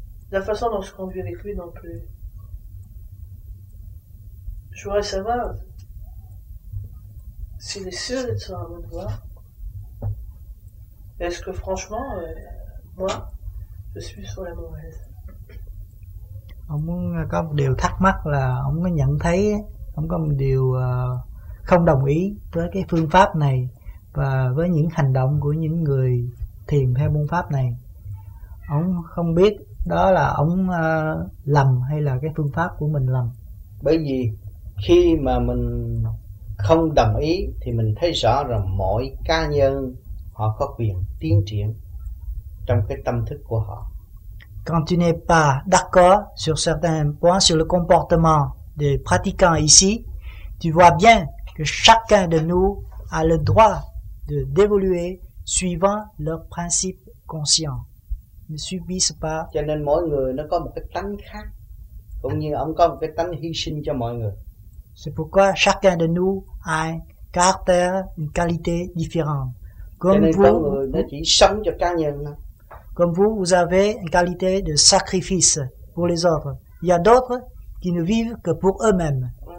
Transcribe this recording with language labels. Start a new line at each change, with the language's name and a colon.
French: La façon dont on se conduit avec lui, non plus. Je voudrais savoir s'il est sûr d'être sur la bonne voie. Est-ce que franchement, moi, je suis sur la mauvaise.
Vietnamese: Ông có một điều thắc mắc là ông có nhận thấy ông có một điều không đồng ý với cái phương pháp này và với những hành động của những người thiền theo môn pháp này. Ông không biết đó là ông lầm hay là cái phương pháp của mình lầm. Bởi vì khi mà mình không đồng ý thì mình thấy rõ rằng mỗi cá nhân họ có quyền tiến triển trong cái tâm thức của họ.
French: Quand tu n'es pas d'accord sur certains points sur le comportement des pratiquants ici, tu vois bien que chacun de nous a le droit de d'évoluer suivant leurs principes conscients. Ne subissent pas.
Vietnamese: Cho nên mỗi người nó có một cái tánh khác, cũng như ông có một cái tánh hy sinh cho mọi người.
French: C'est pourquoi chacun de nous a un caractère, une qualité différente. Comme vous,
Vietnamese: con người nó chỉ sống cho cá nhân.
French: Comme vous, vous avez une qualité de sacrifice pour les autres. Il y a d'autres qui ne vivent que pour eux-mêmes.